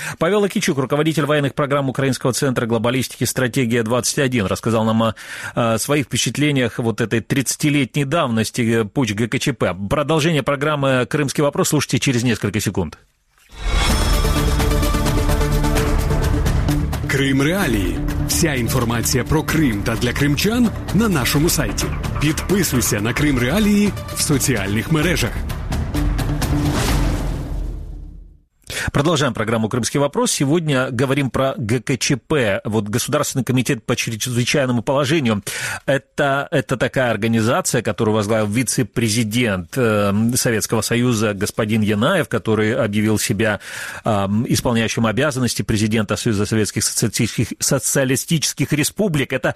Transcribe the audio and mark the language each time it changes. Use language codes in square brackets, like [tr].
[ru] Павел Акичук, руководитель военных программ Украинского центра глобалистики «Стратегия-21», рассказал нам о своих впечатлениях вот этой 30-летней давности путь ГКЧП. Продолжение программы «Крымский вопрос» слушайте через несколько секунд. [uk] Крым реалії. Вся інформація про Крим та для кримчан на нашому сайті. Підписуйся на Крим реалії в соціальних мережах. [ru] Продолжаем программу «Крымский вопрос». Сегодня говорим про ГКЧП, вот Государственный комитет по чрезвычайному положению. Это такая организация, которую возглавил вице-президент Советского Союза господин Янаев, который объявил себя исполняющим обязанности президента Союза Советских Социалистических Республик.